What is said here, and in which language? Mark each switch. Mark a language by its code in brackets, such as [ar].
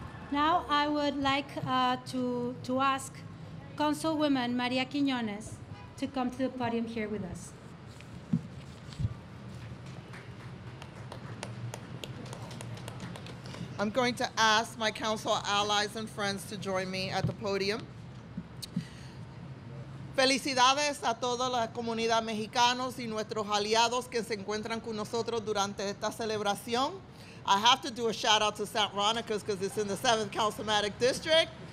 [en] Now I would like to ask Consulwoman Maria Quiñones to come to the podium here with us. I'm going to ask my council allies and friends to join me at the podium. [es] Felicidades a toda la comunidad mexicanos y nuestros aliados que se encuentran con nosotros durante esta celebración. [en] I have to do a shout out to St. Veronica's because it's in the 7th Councilmatic District.